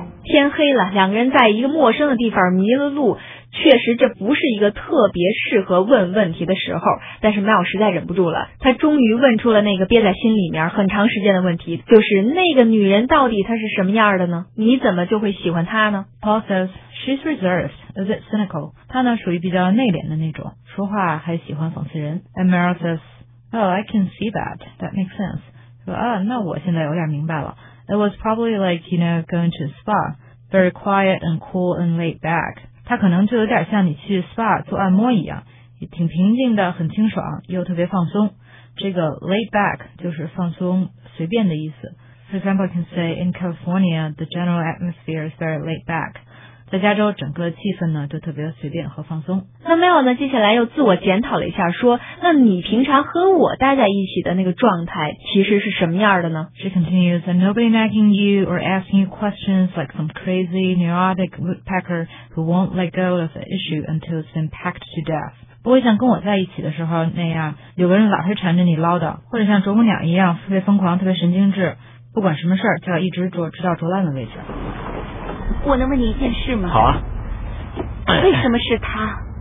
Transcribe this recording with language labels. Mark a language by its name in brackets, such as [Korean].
[Chinese] 天黑了，两个人在一个陌生的地方迷了路，确实这不是一个特别适合问问题的时候，但是 Mel 实在忍不住了，他终于问出了那个憋在心里面很长时间的问题，就是那个女人到底她是什么样的呢？你怎么就会喜欢她呢？ [English] Paul says she's reserved, a bit cynical. [Chinese] 她呢属于比较内敛的那种，说话还喜欢讽刺人。 [English] And Mel says, oh, I can see that. That makes sense. [Chinese] 说啊，那我现在有点明白了。 [English] It was probably like, you know, going to a spa, very quiet and cool and laid back. [Chinese] 它可能就有点像你去 spa 做按摩一样，也挺平静的，很清爽，又特别放松。这个 laid back 就是放松、随便的意思。 [English] For example, I can say in California, the general atmosphere is very laid back. [Chinese] 在加州整个气氛呢就特别随便和放松。那 Mel 呢接下来又自我检讨了一下，说那你平常和我待在一起的那个状态其实是什么样的呢？ [English] She continues, and nobody nagging you or asking you questions like some crazy neurotic woodpecker who won't let go of the issue until it's been packed to death。 [Chinese] 不会像跟我在一起的时候那样，有个人老是缠着你唠叨，或者像啄木鸟一样特别疯狂、特别神经质，不管什么事儿就要一直啄，直到啄烂的位置。我能问你一件事吗？好啊。为什么是他？